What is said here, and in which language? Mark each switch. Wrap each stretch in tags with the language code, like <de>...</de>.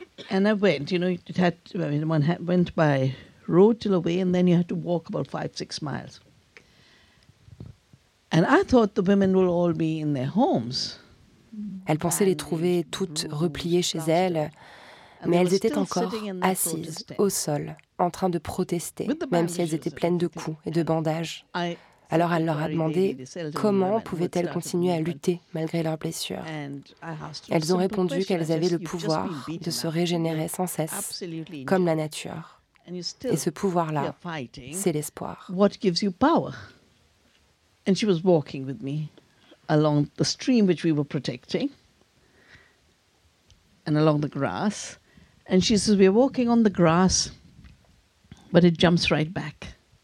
<en>And I went, you know, it had, I mean, one had, went by road till away, and then you had to walk about 5-6 miles. And I thought the women will all be in their homes.</en> <fr>Elle pensait les trouver toutes repliées chez elles, mais elles étaient encore assises au sol, en train de protester, même si elles étaient pleines de coups et de bandages. Alors elle leur a demandé comment pouvaient-elles continuer à lutter malgré leurs blessures. Elles ont répondu qu'elles avaient le pouvoir de se régénérer sans cesse, comme la nature. Et ce pouvoir-là, c'est l'espoir.</fr> <en>What gives you power? And she was walking with me along the stream which we were protecting, and along the grass. And she says, we're walking on the grass, but it jumps right back.</en>